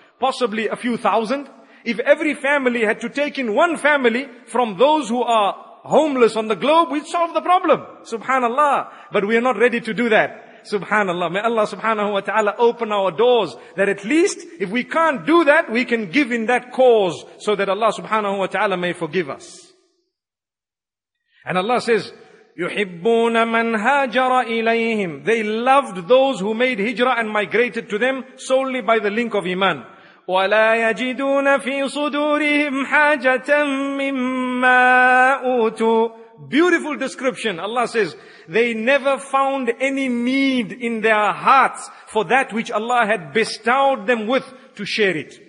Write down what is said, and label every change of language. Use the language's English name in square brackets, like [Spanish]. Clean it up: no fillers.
[English] Possibly a few thousand. If every family had to take in one family from those who are homeless on the globe, we'd solve the problem. Subhanallah. But we are not ready to do that. Subhanallah. May Allah subhanahu wa ta'ala open our doors that at least if we can't do that, we can give in that cause so that Allah subhanahu wa ta'ala may forgive us. And Allah says, [Arabic] يُحِبُّونَ مَنْ هَاجَرَ إِلَيْهِمْ. [English] They loved those who made hijrah and migrated to them solely by the link of iman. [Arabic] وَلَا يَجِدُونَ فِي صُدُورِهِمْ حَاجَةً مِمَّا أُوتُوا. [English] Beautiful description. Allah says, they never found any need in their hearts for that which Allah had bestowed them with to share it.